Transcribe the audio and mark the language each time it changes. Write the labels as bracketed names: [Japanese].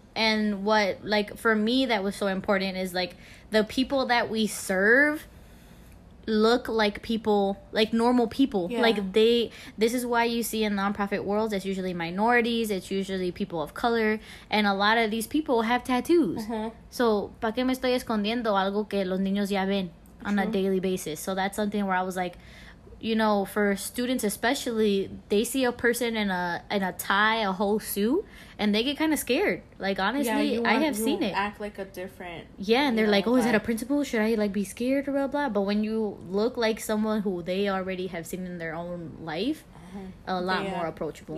[English] And what, like, for me, that was so important is, like, the people that we serve look like people, like, normal people. Like, this is why you see in nonprofit worlds, it's usually minorities, it's usually people of color, and a lot of these people have tattoos. [Spanish] So, ¿pa qué me estoy escondiendo algo que los niños ya ven [English] on a daily basis? So that's something where I was like, you know, for students especially, they see a person in a tie, a whole suit, and they get kind of scared. Like, honestly, I have seen it. Act like a different. Yeah, and they're like, oh, is that a principal? Should I, like, be scared or blah, blah? But when you look like someone who they already have seen in their own life, a lot more approachable.